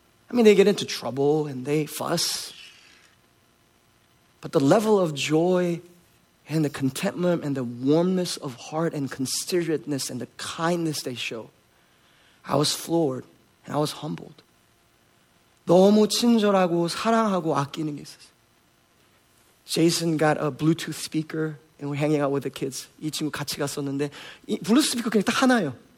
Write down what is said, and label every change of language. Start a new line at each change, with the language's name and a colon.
English: I mean, they get into trouble and they fuss. But the level of joy and the contentment and the warmness of heart and considerateness and the kindness they show, I was floored and I was humbled.
Korean: 너무 친절하고 사랑하고 아끼는 게 있었어요.
English: Jason got a Bluetooth speaker and we're hanging out with the kids.
Korean: 이 친구 같이 갔었는데 이 블루투스 스피커 그냥 딱 하나예요.